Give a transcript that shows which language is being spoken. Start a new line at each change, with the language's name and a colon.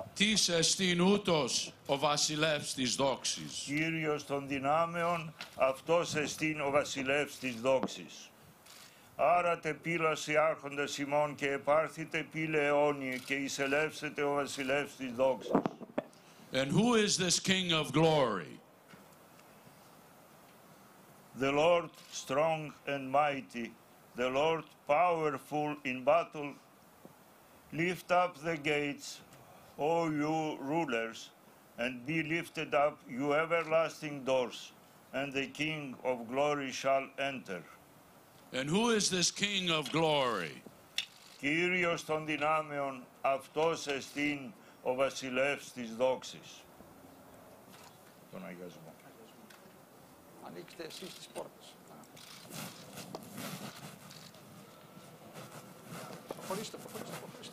Greek: Τις εστίν ούτως ο βασιλεύς της δόξης. Κύριος των δυνάμεων, αυτός εστίν ο βασιλεύς της δόξης. Άρατε πύλας οι άρχοντες ημών και επάρθητε πύλε αιώνιε και εισελεύσετε ο βασιλεύς της δόξης.
English: And who is this King of Glory? The Lord strong and mighty, the Lord powerful in battle, lift up the gates, O you rulers, and be lifted up, you everlasting doors, and the King of Glory shall enter. And who is this King of Glory?
Greek: Κύριος των δυνάμεων, αυτός εστίν ο βασιλεύς της δόξης. Τον αγιασμό. Ανοίξτε εσείς τις πόρτες. Προχωρήστε, προχωρήστε.